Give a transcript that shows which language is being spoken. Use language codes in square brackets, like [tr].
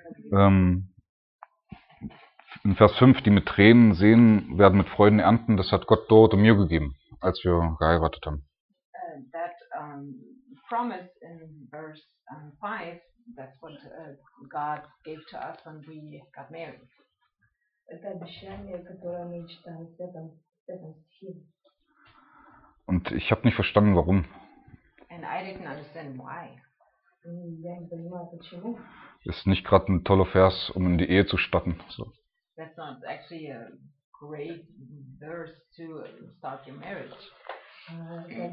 [de] In Vers 5, die mit Tränen sehen, werden mit Freuden ernten, das hat Gott dort und mir gegeben, als wir geheiratet haben. [en] That promise in verse 5, that's what God gave to us when we got married. [ru] Это обещание, которое мы читаем в этом стихе. [de] Und ich habe nicht verstanden, warum. [en] And I didn't understand why. [ru] Я не понимаю, почему. [de] Ist nicht gerade ein toller Vers, um in die Ehe zu starten. So. [en] That's not actually a great verse to start your marriage.